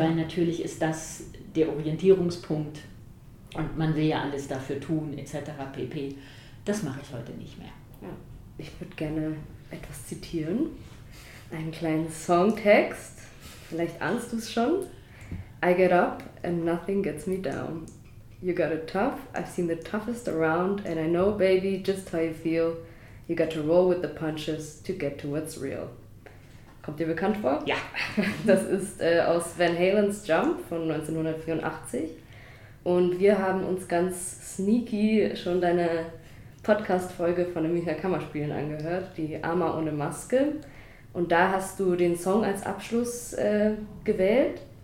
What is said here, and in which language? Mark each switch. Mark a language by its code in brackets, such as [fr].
[de] Weil natürlich ist das der Orientierungspunkt und man will ja alles dafür tun, etc. pp. Das mache ich heute nicht mehr. Ja. Ich würde gerne etwas zitieren. Einen kleinen Songtext. Vielleicht ahnst du es schon. [en] I get up and nothing gets me down. You got it tough, I've seen the toughest around, and I know, baby, just how you feel. You got to roll with the punches to get to what's real. [de] Kommt dir bekannt vor? Ja. Das ist aus Van Halen's Jump von 1984. Und wir haben uns ganz sneaky schon deine Podcast-Folge von den Münchner Kammerspielen angehört, die Arma ohne Maske. Und da hast du den Song als Abschluss gewählt.